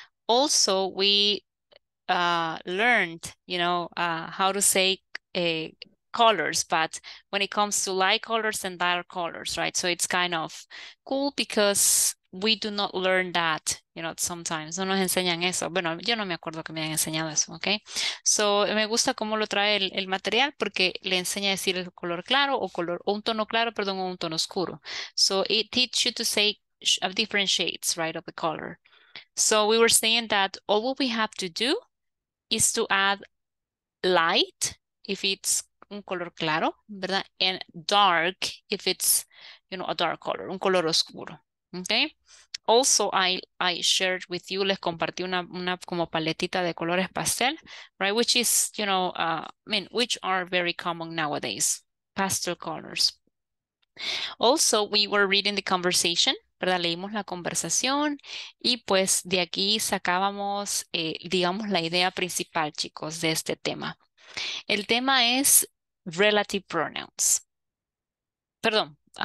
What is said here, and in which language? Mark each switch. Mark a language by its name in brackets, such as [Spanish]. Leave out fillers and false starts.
[English] Also, we learned, you know, how to say colors, but when it comes to light colors and dark colors, right? So it's kind of cool because we do not learn that, you know, sometimes. [Spanish] No nos enseñan eso. Bueno, yo no me acuerdo que me hayan enseñado eso, okay? So, me gusta cómo lo trae el material porque le enseña a decir el color claro o color, o un tono claro, perdón, o un tono oscuro. [English] So, it teaches you to say different shades, right, of the color. So, we were saying that all what we have to do is to add light if it's [Spanish] un color claro, ¿verdad? [English] And dark if it's, you know, a dark color, [Spanish] un color oscuro. [English] Okay. Also, I shared with you, [Spanish] les compartí una como paletita de colores pastel, [English] right? Which is, you know, which are very common nowadays, pastel colors. Also, we were reading the conversation, [Spanish] ¿verdad? Leímos la conversación y pues de aquí sacábamos, digamos, la idea principal, chicos, de este tema. El tema es relative pronouns. Perdón.